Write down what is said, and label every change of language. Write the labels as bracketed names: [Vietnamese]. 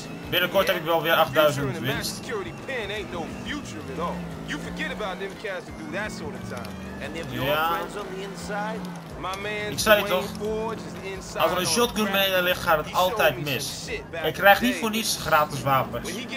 [Dutch] Binnenkort heb ik wel weer 8000 winst. [English] You forget about them cats to do that sort of time. And if your friends on the inside, [Dutch] my man, ik zei het toch, als er een shotgun mee in ligt, gaat het altijd mis. Ik krijg niet voor niets gratis wapens.